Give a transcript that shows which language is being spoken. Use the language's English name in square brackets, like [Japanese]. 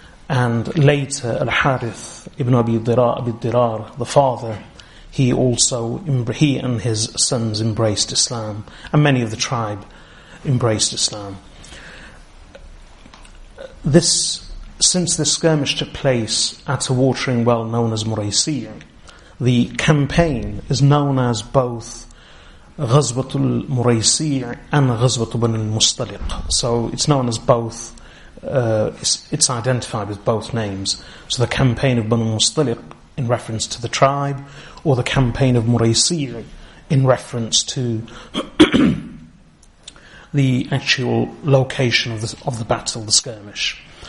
[English] And later, Al-Harith ibn Abi Dirar, the father, he and his sons embraced Islam, and many of the tribe embraced Islam. Since this skirmish took place at a watering well known as Muraysiya, the campaign is known as both [Arabic] غزوة المريسيع and غزوة بن المصطلق. [English] So it's known as both, it's identified with both names. So the campaign of بن المصطلق in reference to the tribe, or the campaign of مريسيع in reference to the actual location of the battle, the skirmish.